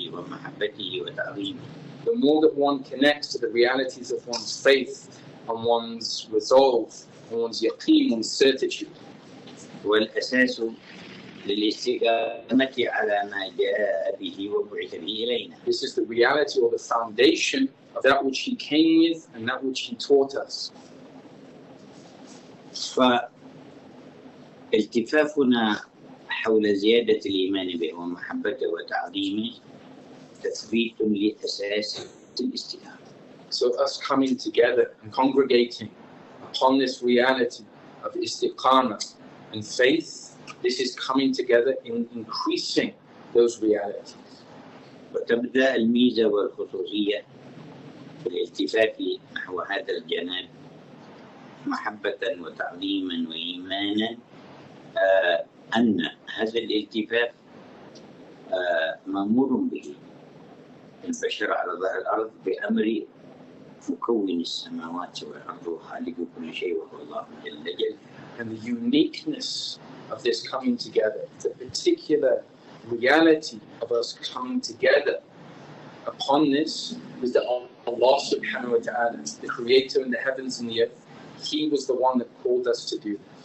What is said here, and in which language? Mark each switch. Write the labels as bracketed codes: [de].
[en] The more that one connects to the realities of one's faith and one's resolve, and one's yaqeen, one's certitude. [ar] والأساس للاستقامة على ما جاء به وبعث به إلينا. [en] This is the reality or the foundation of that which he came with and that which he taught us. [ar] فالتفافنا حول زيادة الإيمان به ومحبته وتعظيمه تثبيت لأساس الاستقامة. [en] So us coming together and congregating upon this reality of istiqama and faith, this is coming together in increasing those realities. [ar] وتبدأ الميزة والخصوصية بالالتفاف نحو هذا الجانب محبة وتعظيما وإيمانا أن هذا الالتفاف مأمور به انتشر على ظهر الأرض بأمر مكون السماوات والأرض وخالق كل شيء وهو الله جل جلاله. [en] And the uniqueness of this coming together, the particular reality of us coming together upon this, is that Allah subhanahu wa ta'ala, the creator in the heavens and the earth, he was the one that called us to do this.